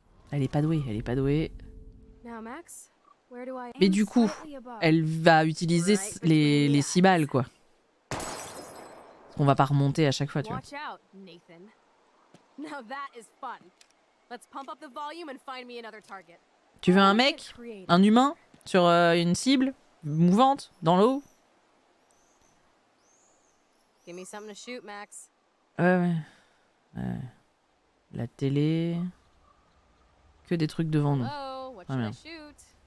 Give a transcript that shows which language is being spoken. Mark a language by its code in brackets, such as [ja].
[fr] Elle est pas douée, elle est pas douée. [en] Now, Max, where do I aim? [fr] Mais du coup, elle va utiliser les 6 balles, quoi. On va pas remonter à chaque fois, tu vois. [en] Watch out, Nathan. Now that is fun. Let's pump up the volume and find me another target. [fr] Tu veux un mec, un humain, sur une cible mouvante dans l'eau? [en] Give me something to shoot, Max. [fr] La télé, que des trucs devant nous. Très bien. Shoot?